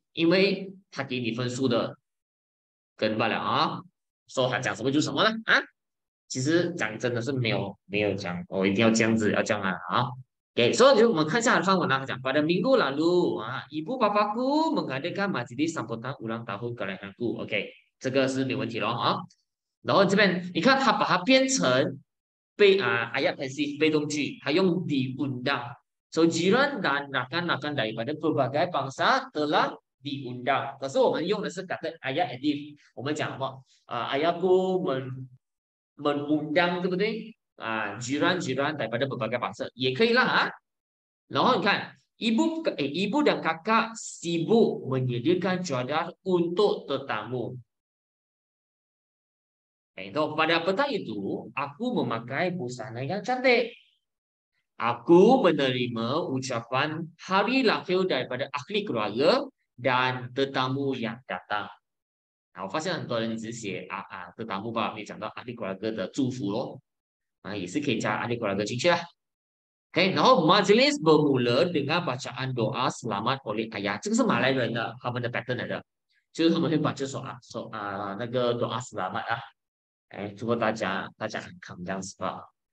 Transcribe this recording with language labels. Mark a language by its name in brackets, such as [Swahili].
[Chinese] 因为他给你分数的，跟不了啊，说他讲什么就什么了啊。其实讲真的是没有讲，我一定要这样子要这样啊。给、okay，所以就我们看一下范文啊，他讲， [Malay] pada minggu lalu 啊，ibu bapaku mengadakan majlis sambutan ulang tahun kelahiranku， [Chinese] OK，这个是没问题了啊。然后这边你看他把它变成被啊 [Malay] ayat passive [Chinese] 被动句，他用 diundang，所以 [Malay] jiran dan rakan-rakan daripada berbagai bangsa telah diundang。 [Chinese] 可是我们用的是 [Malay] kata ayat adif， [Chinese] 我们讲什么啊？ [Malay] ayatku mengundang， [Chinese] 对不对？啊， [Malay] jiran-jiran daripada berbagai bangsa [Chinese] 也可以啦啊。然后你看， [Malay] ibu dan kakak sibuk menyediakan cuadar untuk tetamu. Itu pada petang itu, aku memakai busana yang cantik. Aku menerima ucapan hari lahir daripada ahli keluarga dan tetamu yang datang. [Chinese] 啊，我发现很多人只写tetamu 吧，没讲到 [Malay] ahli keluarga [Chinese] 的祝福咯。啊，也是可以加阿里古拉格进去啊。Okay, 然后 [Malay] majlis bermula dengan bacaan doa selamat oleh ayah， [Chinese] 这个是马来人的，他们的 pattern 来的，就是他们会把这首啊，首啊那个 doa selamat 啊，哎，祝福大家很康这样子吧。